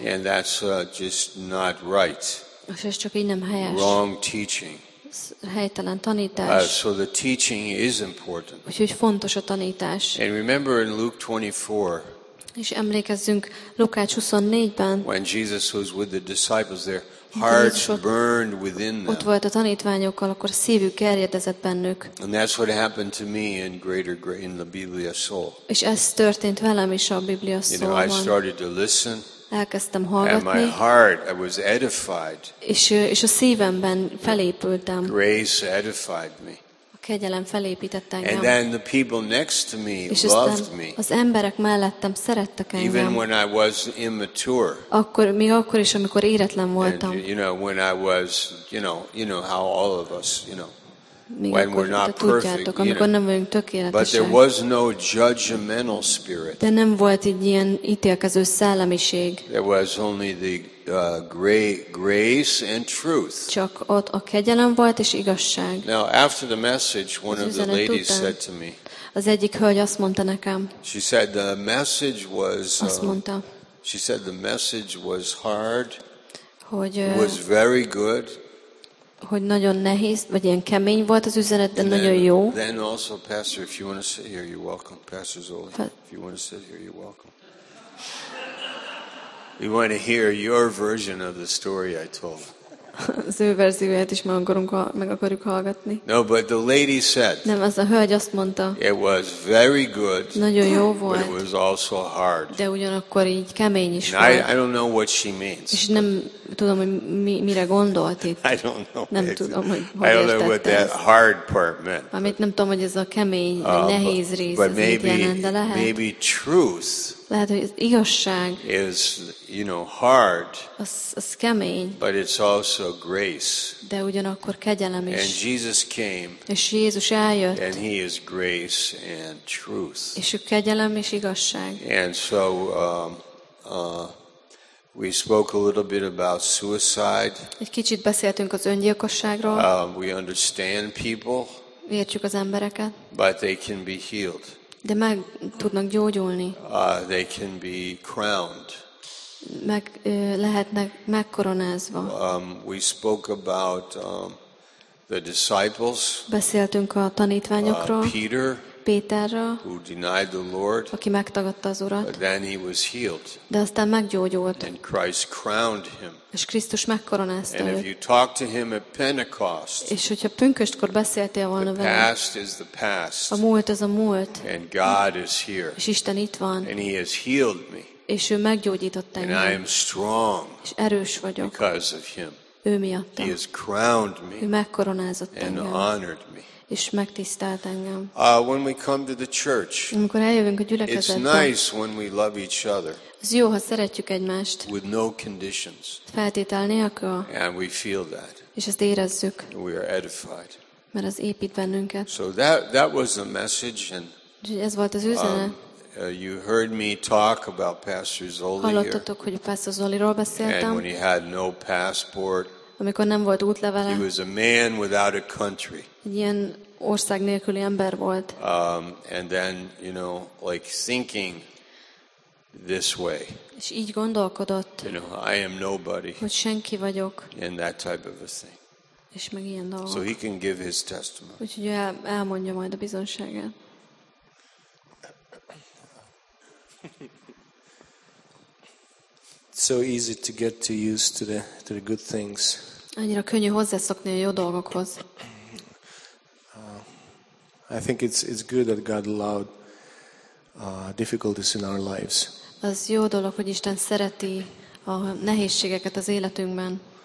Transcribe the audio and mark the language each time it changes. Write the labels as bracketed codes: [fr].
[en] And that's just not right. [hu] Ez csak így nem helyes. [en] Wrong teaching. [hu] Helytelen tanítás. [en] So the teaching is important. [hu] Úgyhogy fontos a tanítás. [en] And remember in Luke 24. [hu] És emlékezzünk Lukács 24-ben. [en] When Jesus was with the disciples, their hearts burned within them. [hu] Ott volt a tanítványokkal, akkor a szívük gerjedezett bennük. [en] And that's what happened to me in greater in the Biblia Soul. [hu] És ez történt velem is a Biblia Soulban. [en] You know, I started to listen. [hu] Elkezdtem hallgatni. [en] And my heart, I was edified. [hu] És a szívemben felépültem. [en] Grace edified me. [hu] Kegyelem felépített engem. [en] And then the people next to me [hu] és [en] loved me. [hu] Az emberek mellettem szerettek engem. [en] Even when I was immature. [hu] Akkor még akkor is, amikor éretlen voltam. [en] And, you know, when I was, you know how all of us, you know, when we're not perfect, [hu] amikor nem vagyunk tökéletesek. [en] But there was no judgmental spirit. [hu] De nem volt egy ilyen ítélkező szellemiség. [en] There was only the grace and truth. [hu] Csak ott a kegyelem volt és igazság. [en] Now after the message, one of the ladies said to me. [hu] Az egyik hölgy azt mondta nekem. [en] She said the message was. [hu] Azt mondta. [en] She said the message was hard. [hu] Hogy. [en] Was very good. [hu] Hogy nagyon nehéz vagy ilyen kemény volt az üzenet, de [en] and [hu] nagyon [en] then, [hu] jó. [en] Then also, Pastor, if you want to sit here, you're welcome. Pastor Zoli, if you want to sit here, you're welcome. We want to hear your version of the story I told. [hu] Az ő verzióját is meg akarjuk hallgatni. [en] No, but the lady said. [hu] Nem, az a hölgy azt mondta. [en] It was very good. [hu] Nagyon jó volt. [en] But it was also hard. [hu] De ugyanakkor így kemény is [en] and [hu] volt. [en] I don't know what she means. [hu] És nem tudom, hogy mire gondolt itt. [en] I don't know. [hu] Nem tudom, hogy hol értette. [en] I don't know what that hard part meant. [hu] Amit nem tudom, hogy ez a kemény, nehéz rész, [en] but maybe, [hu] ez mit jelent, de lehet. [en] Maybe truth. [hu] Lehet, hogy igazság is, [en] you know, hard, [hu] az kemény, [en] but it's also grace. [hu] De ugyanakkor kegyelem is. [en] And Jesus came, [hu] és Jézus eljött, [en] and he is grace and truth. [hu] És ő kegyelem és igazság. [en] And so we spoke a little bit about suicide. [hu] Egy kicsit beszéltünk az öngyilkosságról. [en] We understand people, [hu] értjük az embereket, [en] but they can be healed. [hu] De meg tudnak gyógyulni. [en] They can be crowned. [hu] Meg lehetnek megkoronázva. [en] We spoke about the disciples. [hu] Beszéltünk a tanítványokról. [en] Peter. [hu] Péterre, [en] who denied the Lord. [hu] Aki megtagadta az Urat. [en] Then he was healed. [hu] De aztán meggyógyult. [en] And Christ crowned him. [hu] És Krisztus megkoronázta őt. [en] And if you talk to him at Pentecost. [hu] És hogyha pünköstkor beszéltél volna vele. [en] The past is the past. [hu] A múlt az a múlt. [en] And God is here. [hu] És Isten itt van. [en] And he has healed me. [hu] És ő meggyógyított engem. [en] And I am strong. [hu] És erős vagyok. [en] Because of him. [hu] Ő miattam. [en] He has crowned me. [hu] Ő megkoronázott engem. [en] And honored me. [hu] És megtisztelt engem. [en] When we come to the church, [hu] amikor eljövünk a gyülekezetbe, [en] it's nice when we love each other. [hu] Ez jó, ha szeretjük egymást. [en] With no conditions. [hu] Feltétel nélkül. [en] And we feel that. [hu] És ezt érezzük. [en] We are edified. [hu] Mert az épít bennünket. [en] So that was the message, and [hu] ez volt az üzenet. [en] You heard me talk about Pastor Zoli. [hu] Hallottatok, hogy Pastor Zoliról beszéltem. [en] And when he had no passport. [hu] Amikor nem volt útlevele. [en] He was a man without a country. [hu] Ilyen ország nélküli ember volt. [en] And then, you know, like thinking this way. [hu] És így gondolkodott. [en] You know, I am nobody. [hu] Hogy senki vagyok. [en] And that type of a thing. [hu] És meg ilyen dolgok. [en] So he can give his testimony. [hu] Úgyhogy elmondja majd a bizonyságát. [en] It's so easy to get too used to the good things. [hu] Annyira könnyű hozzászokni a jó dolgokhoz. [en] I think it's good that God allowed difficulties in our lives. [hu] Az jó dolog, hogy Isten szereti a nehézségeket az életünkben.